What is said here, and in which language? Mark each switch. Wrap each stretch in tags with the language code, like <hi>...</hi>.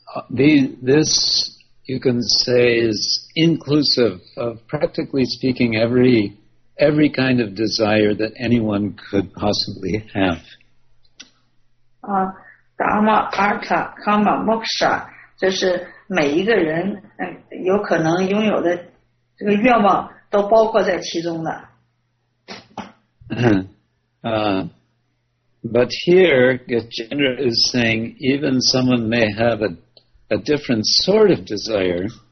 <en>This, you can say, is inclusive of, practically speaking, every kind of desire that anyone could possibly have.</en> <sa>Dharma, Artha, Kama, Moksha.</sa> <zh>这是每一个人有可能拥有的这个愿望都包括在其中的。</zh> <en>But here, Gajendra is saying, even someone may have a different sort of desire.</en>